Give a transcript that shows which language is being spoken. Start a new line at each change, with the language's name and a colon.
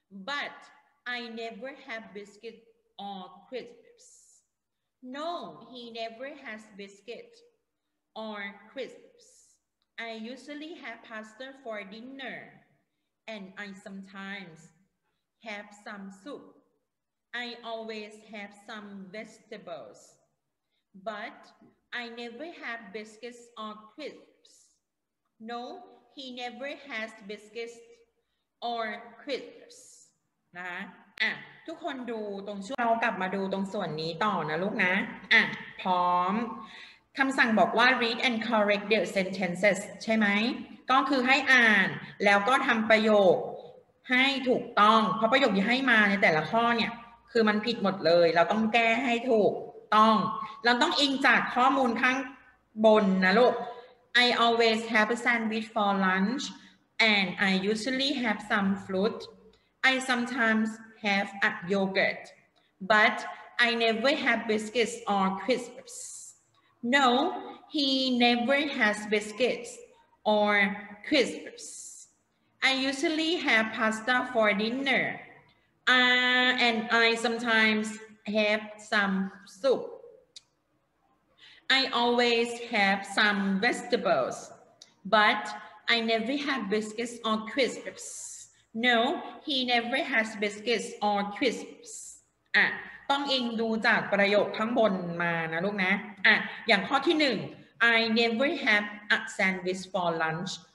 English: but I never have biscuit or crisps No he never has biscuit or crisps I usually have pasta for dinner and I sometimes have some soupI always have some vegetables, but I never have biscuits or crisps. No, he never has biscuits or crisps.
Thai: นะอ่ะทุกคนดูตรงช่วงเรากลับมาดูตรงส่วนนี้ต่อนะลูกนะอ่ะพร้อมคำสั่งบอกว่า
English: read and correct the sentences
Thai: ใช่ไหมก็คือให้อ่านแล้วก็ทำประโยค ให้ถูกต้องเพราะประโยคที่ให้มาในแต่ละข้อเนี่ยคือมันผิดหมดเลยเราต้องแก้ให้ถูกต้องเราต้องอิงจากข้อมูลข้างบนนะลูก
English: I always have a sandwich for lunch and I usually have some fruit I sometimes have a yogurt but I never have biscuits or crisps No he never has biscuits or crisps I usually have pasta for dinnerand I sometimes have some soup. I always have some vegetables, but I never have biscuits or crisps. No, he never has biscuits or crisps.
Thai: ต้องอิงดูจากประโยคข้างบนมานะลูกนะอย่างข้อที่หนึ่ง
English: I never have a sandwich for lunch.